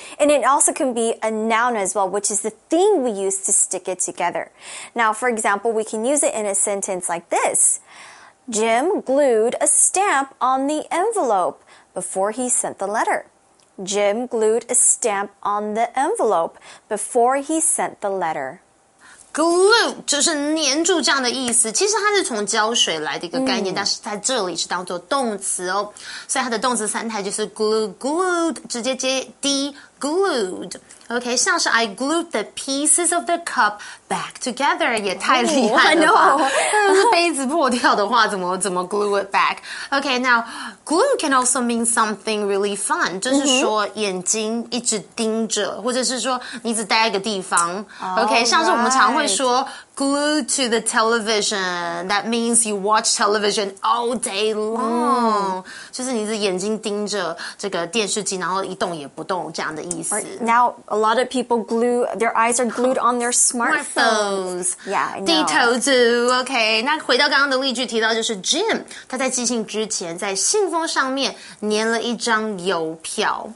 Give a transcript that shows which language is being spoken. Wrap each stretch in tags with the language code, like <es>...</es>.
<en>And it also can be a noun as well, which is the thing we use to stick it together. Now, for example, we can use it in a sentence like this. Jim glued a stamp on the envelope before he sent the letter. Jim glued a stamp on the envelope before he sent the letter.</en> <zh>Glue 就是粘住这样的意思，其实它是从胶水来的一个概念，但是在这里是当做动词哦。所以它的动词三态就是 glue, glued, 直接接 D, glued.</zh> <en>OK, 像是 I glued the pieces of the cup back together,</en> <zh>也太厉害了吧。那杯子破掉的话怎么</zh> <en>glue it back? OK, now, glue can also mean something really fun,</en> <zh>就是说眼睛一直盯着或者是说你一直待一个地方。</zh> <en>OK,</en> <zh>像是我们常会说</zh> <en>glue to the television, that means you watch television all day long.</en> <zh>就是你一直眼睛盯着这个电视机然后一动也不动这样的意思。</zh> <en>Now,A lot of people glue, their eyes are glued on their smartphones. Yeah, I know.</en> <zh>低头族 OK. 那回到刚刚的例句提到就是 Jim, 他在寄信之前在信封上面粘了一张邮票。</zh>